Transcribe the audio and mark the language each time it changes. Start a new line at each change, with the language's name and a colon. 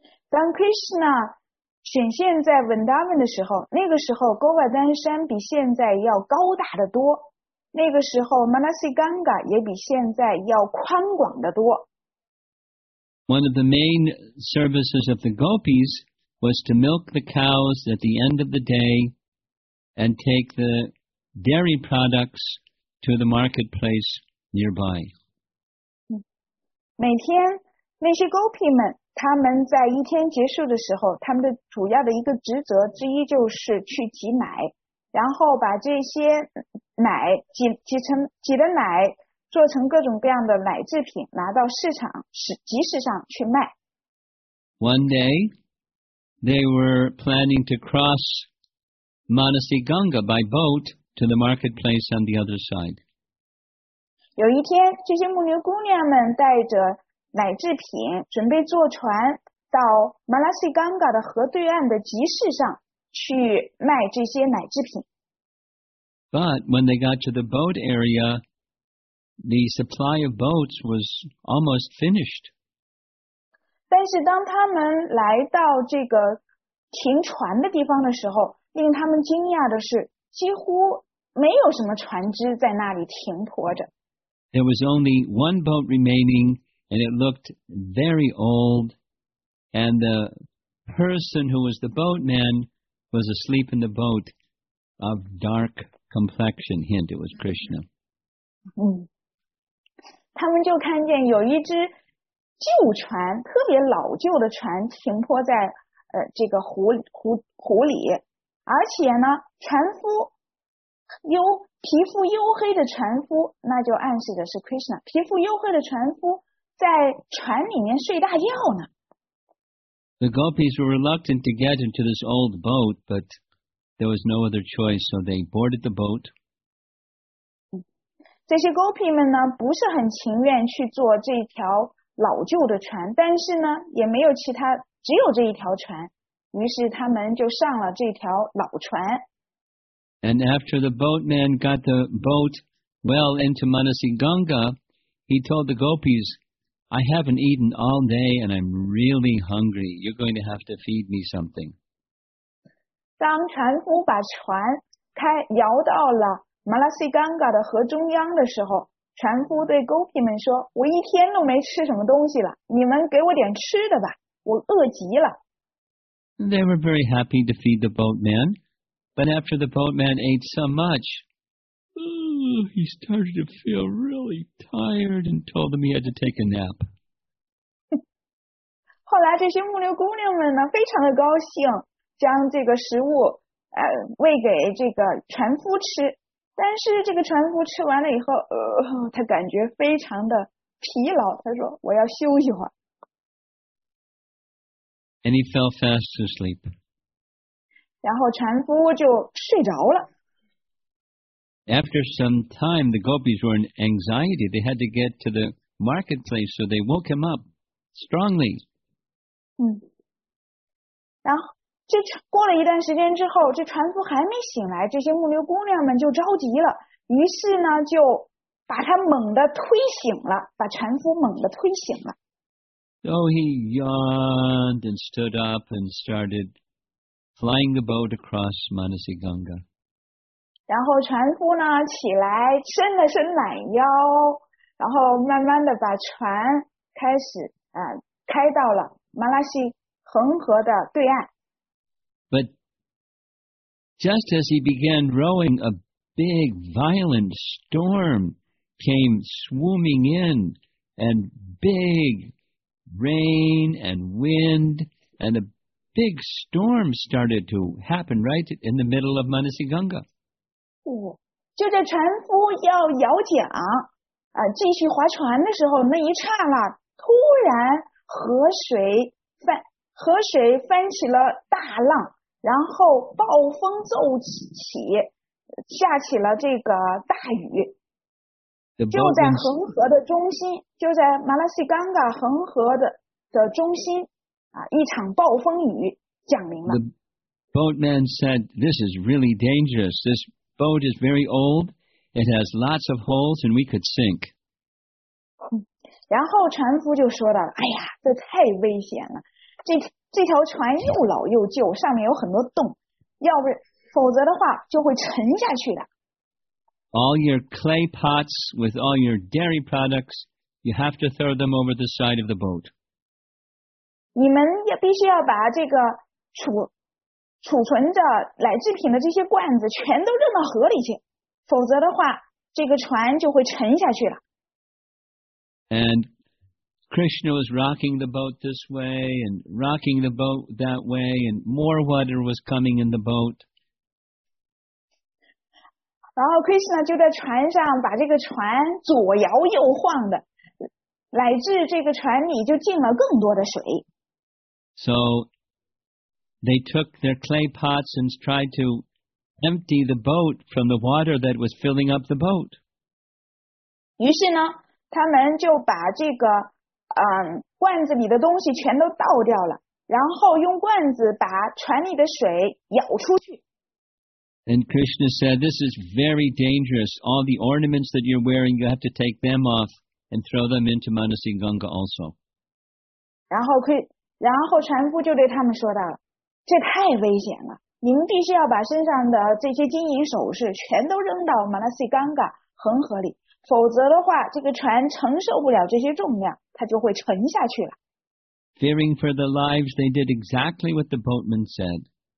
Chinese: 当 Krishna 显现在 Vrindavan 的时候，那个时候 Govardhan 山比现在要高大的多，那个时候 Manasi Ganga 也比现在要宽广的多。
English: One of the main services of the gopis was to milk the cows at the end of the day and take the dairy products to the marketplace nearby.
Chinese: 每天那些 Gopi 们，他们在一天结束的时候，他们的主要的一个职责之一就是去挤奶，然后把这些奶挤的奶做成各种各样的奶制品，拿到市场集市上去卖。
English: One day, they were planning to cross Manasi Ganga by boat to the marketplace on the other side.
Chinese: 有一天，这些牧牛姑娘们带着奶制品，准备坐船到 Manasi Ganga 的河对岸的集市上去卖这些奶制品。
English: But when they got to the boat area, the supply of boats was almost finished.
Chinese: 但是当他们来到这个停船的地方的时候，令他们惊讶的是，几乎没有什么船只在那里停泊着。
English: There was only one boat remaining, and it looked very old, and the person who was the boatman was asleep in the boat of dark complexion. Hint, it was Krishna.
Chinese: 他们就看见有一只旧船，特别老旧的船停泊在这个湖里，而且呢，船夫黝皮肤黝黑的船夫，那就暗示的是 Krishna， 皮肤黝黑的船夫在船里面睡大觉呢。
English: The gopis were reluctant to get into this old boat, but there was no other choice, so they boarded the boat.
Chinese: 这些 gopi 们呢，不是很情愿去坐这条老旧的船，但是呢，也没有其他，只有这一条船，于是他们就上了这条老船。
English: And after the boatman got the boat well into Manasi Ganga, he told the gopis, I haven't eaten all day and I'm really hungry. You're going to have to feed me something.
Chinese: 当船夫把船开摇到了 Manasi Ganga 的河中央的时候，船夫对 gopi 们说，我一天都没吃什么东西了，你们给我点吃的吧，我饿极了。
English: They were very happy to feed the boatman. But after the boatman ate so much, he started to feel really tired and told them he had to take a nap.
Chinese: 后来这些牧牛姑娘们呢，非常的高兴，将这个食物喂给这个船夫吃。但是这个船夫吃完了以后，他感觉非常的疲劳，他说我要休息会儿。
English: And he fell fast asleep.
Chinese: 然后船夫就睡着了。
English: After some time, the gopis were in anxiety. They had to get to the marketplace, so they woke him up strongly.
Chinese: 然后这过了一段时间之后，这船夫还没醒来，这些牧牛姑娘们就着急了，于是呢就把他猛地推醒了，把船夫猛地推醒了。
English: So he yawned and stood up and started. Flying the boat across Manasi Ganga.
Chinese: 然后船夫呢起来伸了伸懒腰，然后慢慢的把船开始开到了马拉西恒河的对岸。
English: But just as he began rowing, a big violent storm came swooming in, and big rain and wind and a big storm started to happen right in the middle of Manasi Ganga.
Chinese: 就在船夫要摇桨继续划船的时候，那一刹那，突然河水翻起了大浪，然后暴风骤起，下起了这个大雨。就在恒河的中心，就在 Manasi Ganga 恒河的中心。一场暴风雨降临了。
English: The boatman said, this is really dangerous. This boat is very old. It has lots of holes and we could sink.
Chinese: 然后船夫就说到了，哎呀，这太危险了。这条船又老又旧，上面有很多洞。否则的话就会沉下去的。
English: All your clay pots with all your dairy products, you have to throw them over the side of the boat.
Chinese: 你们也必须要把这个储存着奶制品的这些罐子全都扔到河里去，否则的话，这个船就会沉下去了。
English: And Krishna was rocking the boat this way and rocking the boat that way, and more water was coming in the boat.
Chinese: 然后 Krishna 就在船上把这个船左摇右晃的，乃至这个船里就进了更多的水。
English: So they took their clay pots and tried to empty the boat from the water that was filling up the boat.
Chinese: 于是呢，他们就把这个罐子里的东西全都倒掉了，然后用罐子把船里的水舀出去。
English: And Krishna said, this is very dangerous. All the ornaments that you're wearing, you have to take them off and throw them into Manasiganga also.
Chinese: 然后船夫就对他们说道，这太危险了，你们必须要把身上的这些金银首饰全都扔到 Manasiganga 恒河里，否则的话，这个船承受不了这些重量，它就会沉下去了。
English: Fearing for their lives, they did exactly what the boatman said.